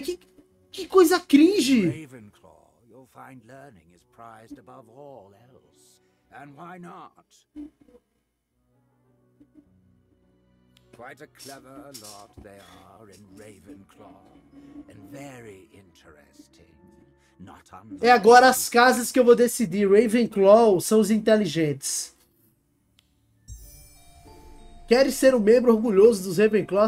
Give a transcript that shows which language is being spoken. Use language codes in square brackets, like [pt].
[pt] Que coisa cringe. Ravenclaw, você vai encontrar aprendizado acima de tudo. [en] And why not? Quite a clever lot they are in Ravenclaw. And very interesting. Not unlike... [pt] É agora as casas que eu vou decidir. Ravenclaw são os inteligentes. Queres ser um membro orgulhoso dos Ravenclaw?